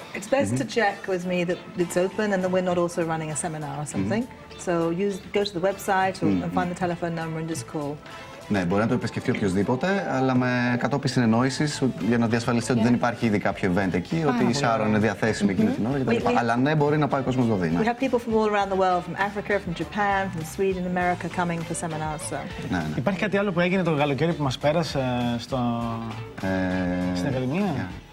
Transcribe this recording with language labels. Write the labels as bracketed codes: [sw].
[en] It's best to check with me that it's open and that we're not also running a seminar or something. So go to the website and find the telephone number and just call. [el] Ναι, μπορεί να το επισκεφτεί οποιοδήποτε, αλλά με κατόπιν συνεννόησης για να διασφαλιστεί ότι δεν υπάρχει ήδη κάποιο event εκεί, ότι η Σάρων είναι διαθέσιμη εκείνη την ώρα κτλ. Αλλά ναι, μπορεί να πάει ο κόσμος δωδύνα. [en] We have people from all around the world, from Africa, from Japan, from Sweden, America coming for seminars. So. [el] Ναι, ναι. Υπάρχει κάτι άλλο που έγινε το καλοκαίρι που μας πέρασε στην Ακαδημία?